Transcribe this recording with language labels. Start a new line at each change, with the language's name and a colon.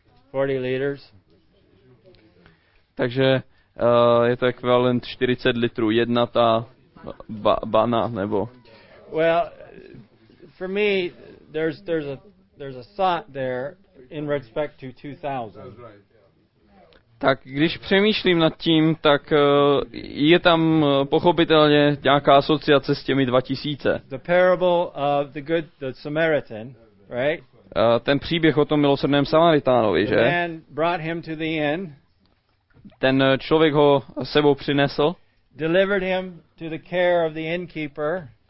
English: 40 liters.
Czech: Takže je to ekvivalent 40 litrů jedna ta bana nebo.
English: Well, for me there's a thought there in respect to 2000.
Czech: Tak když přemýšlím nad tím, tak je tam pochopitelně nějaká asociace s těmi 2000.
English: The parable of the good the Samaritan, right?
Czech: Ten příběh o tom milosrdném Samaritánovi, že?
English: The man brought him to the inn.
Czech: Ten člověk ho sebou přinesl.
English: Delivered him to the care of the innkeeper.